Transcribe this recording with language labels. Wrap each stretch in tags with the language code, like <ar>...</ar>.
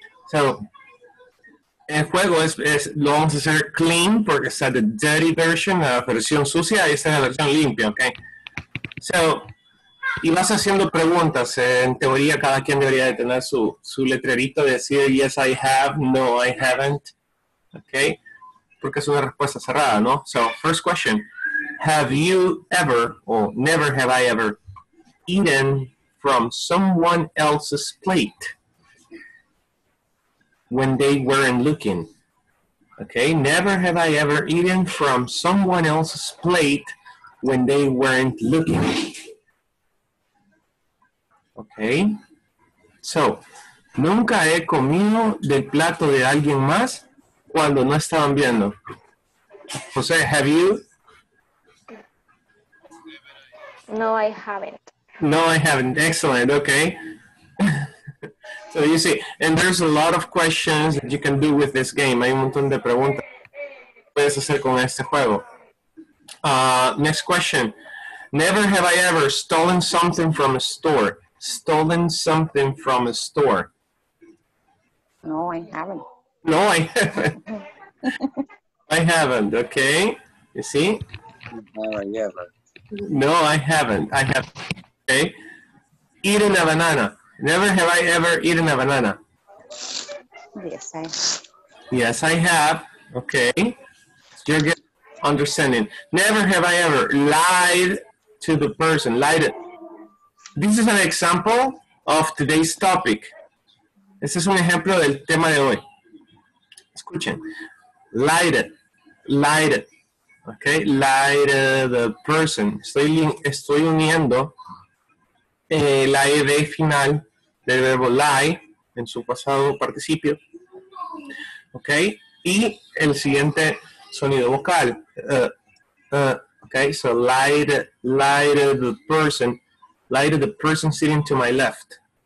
<es>So, el juego es lo vamos a hacer clean porque está</es> <en>the dirty version,</en> <es>la versión sucia, y esta es la versión limpia, ¿ok? So, y vas haciendo preguntas. En teoría, cada quien debería de tener su letrerito de decir</es> <en>yes, I have, no, I haven't,</en> <es>¿ok? Porque es una respuesta cerrada, ¿no?</es> <en>So, first question, have you ever, or never have I ever, eaten from someone else's plate when they weren't looking. Okay, never have I ever eaten from someone else's plate when they weren't looking.</en> <es>Okay, so, nunca he comido del plato de alguien más cuando no estaban viendo.</es> <en>José, have you? No, I haven't. No, I haven't. Excellent. Okay. So you see, and there's a lot of questions that you can do with this game.</en> <es>Hay un montón de preguntas que puedes hacer con este juego.</es> <en>Next question. Never have I ever stolen something from a store. Stolen something from a store. No, I haven't. No, I haven't. I haven't. Okay. You see? No, I haven't. Okay. Eating a banana. Never have I ever eaten a banana. Yes, I have. Okay. You're good understanding. Never have I ever lied to the person. Lied. This is an example of today's topic.</en> <es>Este es un ejemplo del tema de hoy.</es> <en>Escuchen. Lied. Okay. Lied to the person.</en> <es>Estoy uniendo la ed final del verbo lie en su pasado participio, ¿ok? Y el siguiente sonido vocal, ¿ok?</es> <en>So lied to the person sitting to my left.</en>